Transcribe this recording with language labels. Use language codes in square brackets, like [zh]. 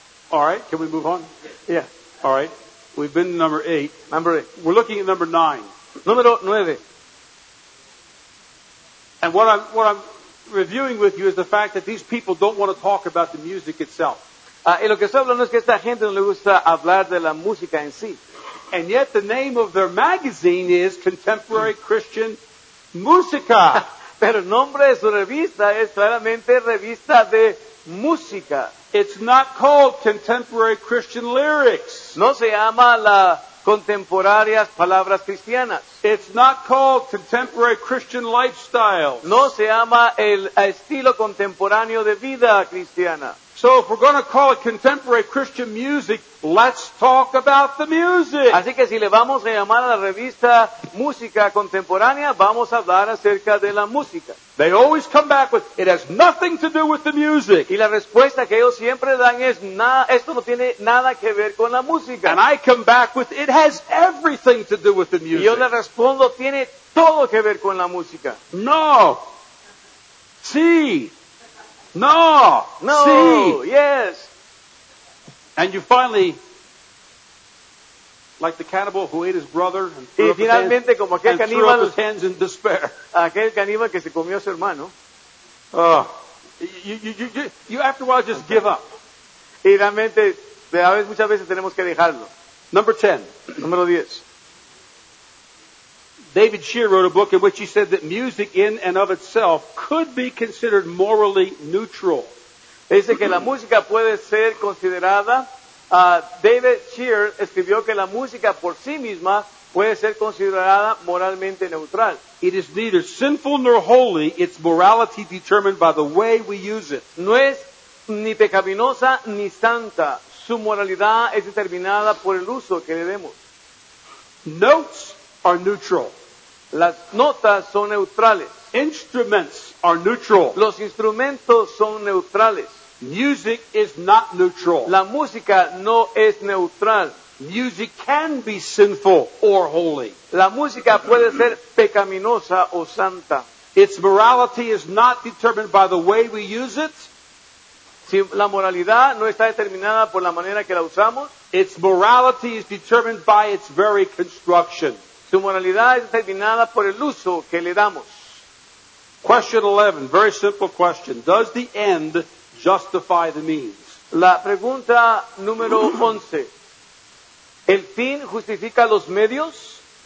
[en] All right, can we move on? Yeah. All right. We've been to number 8. Number 8. We're looking at number 9. [es] Número 9. [en] And what I'm reviewing with you is the fact that these people don't want to talk about the music itself. [es] Y lo que estoy hablando es que esta gente no le gusta hablar de la música en sí. [en] And yet the name of their magazine is Contemporary Christian Musica. [es] Pero el nombre de su revista es claramente Revista de Música. [en] It's not called Contemporary Christian Lyrics. [es] No se llama la Contemporáreas Palabras Cristianas. [en] It's not called Contemporary Christian Lifestyle. [es] No se llama el estilo contemporáneo de vida cristiana. [en] So if we're going to call it Contemporary Christian Music, let's talk about the music. [es] Así que si le vamos a llamar a la revista Música Contemporánea, vamos a hablar acerca de la música. [en] They always come back with, it has nothing to do with the music. [es] Y la respuesta que ellos siempre dan es, esto no tiene nada que ver con la música. [en] And I come back with, it has everything to do with the music. [es] Y yo le respondo, tiene todo que ver con la música. No. Sí. No. No. Sí. [en] Yes. And you finally Like the cannibal who ate his brother and [es] threw, y finalmente, como aquel caníbal, [en] threw up his hands in despair. [es] Aquel caníbal que se comió a su hermano. [en] Oh, you after a while just give up. [es] Y realmente, a veces, muchas veces tenemos que dejarlo. [en] Number 10. [es] Número 10. [en] David Shear wrote a book in which he said that music in and of itself could be considered morally neutral. [es] Dice que la música puede ser considerada, David Shear escribió que la música por sí misma puede ser considerada moralmente neutral. [en] It is neither sinful nor holy, its morality determined by the way we use it. [es] No es ni pecaminosa ni santa, su moralidad es determinada por el uso que le demos. [en] Notes are neutral. [es] Las notas son neutrales. [en] Instruments are neutral. [es] Los instrumentos son neutrales. [en] Music is not neutral. [es] La música no es neutral. [en] Music can be sinful or holy. [es] La música puede ser pecaminosa o santa. [en] Its morality is not determined by the way we use it. [es] Si la moralidad no está determinada por la manera que la usamos, [en] its morality is determined by its very construction. [es] Su moralidad es determinada por el uso que le damos. [en] Question 11, very simple question. Does the end justify the means? [es] La pregunta número 11. ¿El fin justifica los medios?